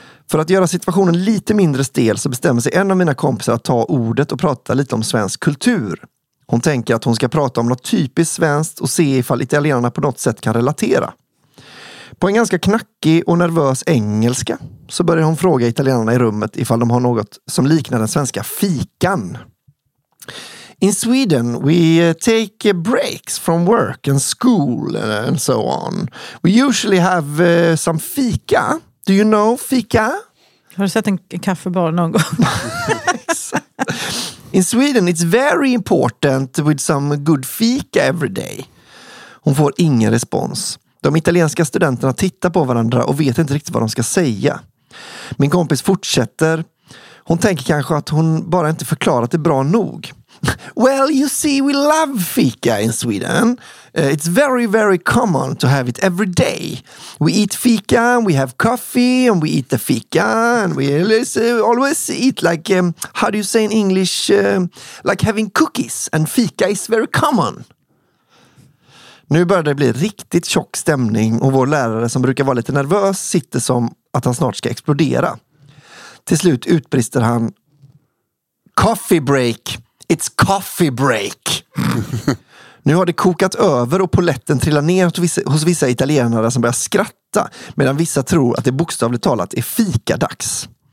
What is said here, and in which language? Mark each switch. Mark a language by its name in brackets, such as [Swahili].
[Swedish] För att göra situationen lite mindre stel så bestämmer sig en av mina kompisar att ta ordet och prata lite om svensk kultur. Hon tänker att hon ska prata om något typiskt svenskt och se ifall italienarna på något sätt kan relatera. På en ganska knackig och nervös engelska så börjar hon fråga italienarna i rummet ifall de har något som liknar den svenska fikan. [English] In Sweden, we take breaks from work and school and so on. We usually have some fika. Do you know fika? [Swedish] Har du sett en kaffebar någon gång? [English] In Sweden, it's very important with some good fika every day. [Swedish] Hon får ingen respons. De italienska studenterna tittar på varandra och vet inte riktigt vad de ska säga. Min kompis fortsätter. Hon tänker kanske att hon bara inte förklarat det bra nog. [English] Well, you see, we love fika in Sweden. It's very, very common to have it every day. We eat fika, we have coffee, and we eat the fika, and we always eat like, how do you say in English, like having cookies, and fika is very common. [Swedish] Nu börjar det bli riktigt tjock stämning och vår lärare som brukar vara lite nervös sitter som att han snart ska explodera. Till slut utbrister han, [English] coffee break! It's coffee break! [Swedish] Nu har det kokat över och poletten trillar ner hos vissa italienare som börjar skratta medan vissa tror att det bokstavligt talat är fika dags.